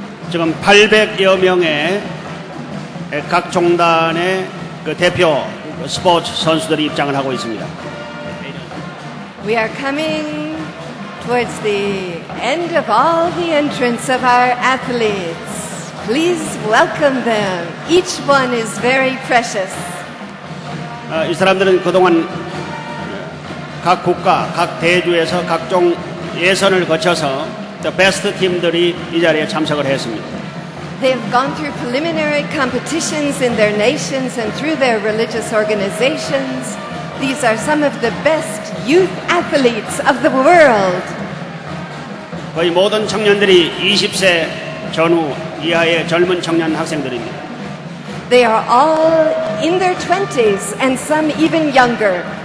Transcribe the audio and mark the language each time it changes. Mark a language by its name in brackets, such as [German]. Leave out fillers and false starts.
[Korean] 지금 800여 명의 각 종단의 그 대표 스포츠 선수들이 입장을 하고 있습니다. [English] We are coming towards the end of all the entrance of our athletes. Please welcome them. Each one is very precious. [Korean] 이 사람들은 그동안 각 국가, 각 대주에서 각종 예선을 거쳐서 [English] the best [Korean] 팀들이 이 자리에 참석을 했습니다. [English] They have gone through preliminary competitions in their nations and through their religious organizations. These are some of the best youth athletes of the world. [Korean] 거의 모든 청년들이 20세 전후 이하의 젊은 청년 학생들입니다. [English] They are all in their 20s and some even younger.